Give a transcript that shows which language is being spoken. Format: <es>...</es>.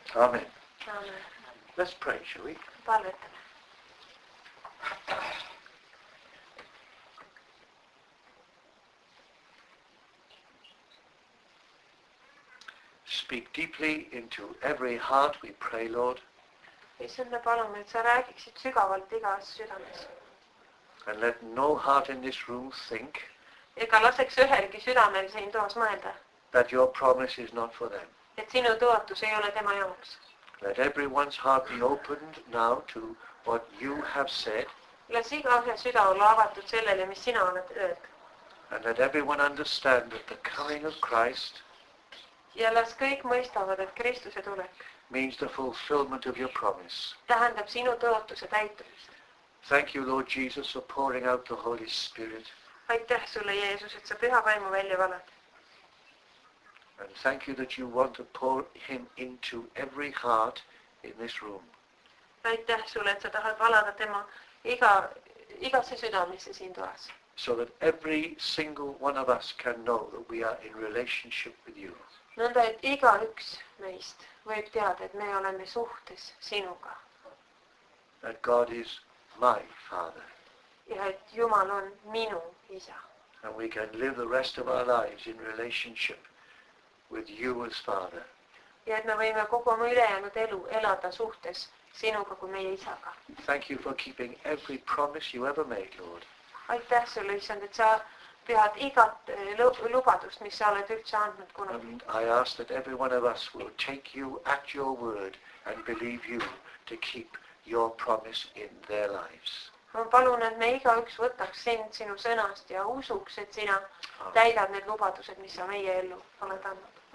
<en>Amen. Let's pray, shall we?</en> <et>Palvetame.</et> <en>Speak deeply into every heart, we pray, Lord.</en> <et>Issande, palun, et sa räägiksid sügavalt igas südames.</et> <en>And let no heart in this room think.</en> <et>Ega laseks ühelgi südamel siin toas mõelda.</et> <en>That your promise is not for them.</en> <et>Et sinu tõotus ei ole tema jaoks.</et> <en>Let everyone's heart be opened now to what you have said.</en> <et>Las igahe süda olla avatud sellele, mis sina oled öelnud.</et> <en>And let everyone understand that the coming of Christ.</en> <et>Ja las kõik mõistavad, et Kristuse tulek.</et> <en>Means the fulfillment of your promise.</en> <et>Tähendab sinu tõotuse täitumist.</et> <en>Thank you, Lord Jesus, for pouring out the Holy Spirit.</en> <et>Aitäh sulle, Jeesus, et sa püha vaimu välja valad.</et> <en>And thank you that you want to pour him into every heart in this room.</en> <et>Aitäh sulle, et sa tahad valada tema igasse sydämessä siin tuas.</et> <en>So that every single one of us can know that we are in relationship with you.</en> <et>Nõnda, et iga üks meist võib teada, et me oleme suhtes sinuga.</et> <en>That God is my Father.</en> <et>Ja et Jumal on minu isa.</et> <en>And we can live the rest of our lives in relationship with you as Father.</en> <et>Ja et me võime kogu oma ülejäänud elu elada suhtes sinuga kui meie isaga.</et> <en>Thank you for keeping every promise you ever made, Lord.</en> <et>Aitäh sulle, Isand, et sa pead igat lubadust, mis sa oled üldse andnud kunagi.</et> <en>And I ask that every one of us will take you at your word and believe you to keep your promise in their lives.</en> <et>Ma palun, et me igaüks võtaks sind sinu sõnast ja usuks, et sina täidad need lubadused, mis sa meie ellu oled annud.</et>